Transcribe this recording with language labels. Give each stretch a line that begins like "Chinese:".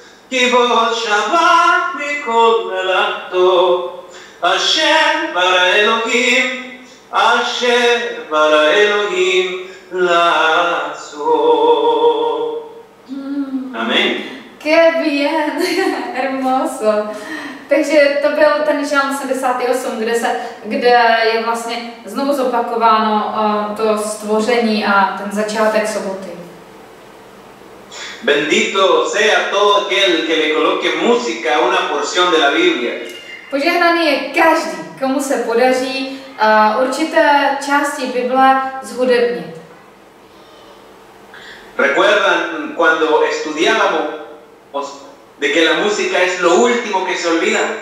Hebrew: כי בו שבת מכל מלאכתו, אשר ברא אלוהים, אשר ברא אלוהים לעצור. אמן. כן, ביין, הרמוסו.
Czech: Takže to byl ten žalm 78, kde je vlastně znovu zopakováno to stvoření a ten začátek soboty.
Spanish: Bendito sea todo aquel que le coloque música a una porción de la Biblia.
Czech: Požehnaný je každý, komu se podaří určité části Bible zhudebnit.
Spanish: Recuerdan cuando estudiábamos de que la música es lo último que se olvida.